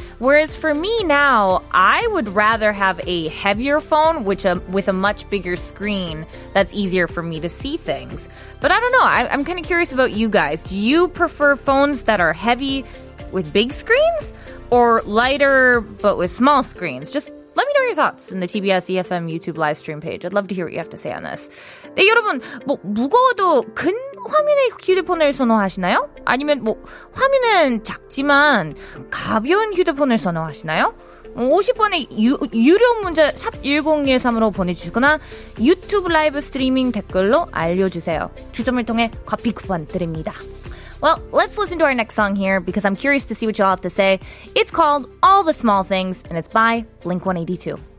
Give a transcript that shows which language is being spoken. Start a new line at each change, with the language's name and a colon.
English: Whereas for me now, I would rather have a heavier phone with a much bigger screen that's easier for me to see things. But I don't know. I'm kind of curious about you guys. Do you prefer phones that are heavy with big screens or lighter but with small screens? Just let me know your thoughts in the TBS EFM YouTube live stream page. I'd love to hear what you have to say on this.
Korean: 네, 여러분, 뭐 무거워도 큰 화면의 휴대폰을 선호하시나요? 아니면 뭐 화면은 작지만 가벼운 휴대폰을 선호하시나요? 50번의 유료 문자 샵 1013으로 보내주시거나 유튜브 라이브 스트리밍 댓글로 알려주세요. 추첨을 통해 커피 쿠폰 드립니다.
English: Well, let's listen to our next song here because I'm curious to see what you all have to say. It's called All the Small Things and it's by Blink-182.